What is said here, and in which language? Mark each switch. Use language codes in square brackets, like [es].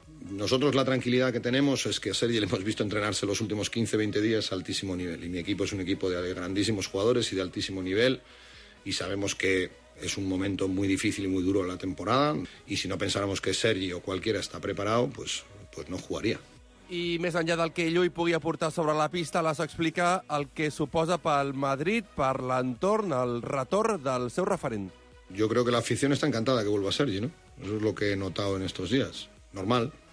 [es] Nosotros la tranquilidad que tenemos es que a Sergi le hemos visto entrenarse los últimos 15-20 días a altísimo nivel. Y mi equipo es un equipo de grandísimos jugadores y de altísimo nivel. Y sabemos que es un momento muy difícil y muy duro la temporada. Y si no pensáramos que Sergi o cualquiera está preparado, pues no jugaría. [ca] I més enllà del que Llull pugui aportar sobre la pista, l'has explicat el que suposa pel Madrid, per l'entorn, el retorn del seu referent. [es] Yo creo que la afición está encantada que vuelva Sergi, ¿no? Eso es lo que he notado en estos días. Normal.